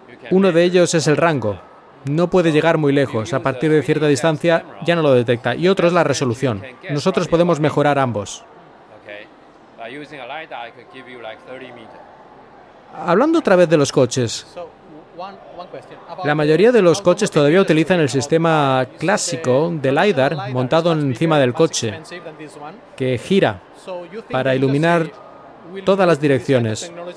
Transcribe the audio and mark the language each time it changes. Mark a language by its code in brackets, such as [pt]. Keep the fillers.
[es] Uno de ellos es el rango. No puede llegar muy lejos, a partir de cierta distancia ya no lo detecta. Y otro es la resolución. Nosotros podemos mejorar ambos. [en] using a LiDAR, I could give you like 30 meters. [es] Hablando otra vez de los coches, la mayoría de los coches todavía utilizan el sistema clásico de LiDAR montado encima del coche, que gira para iluminar todas las direcciones.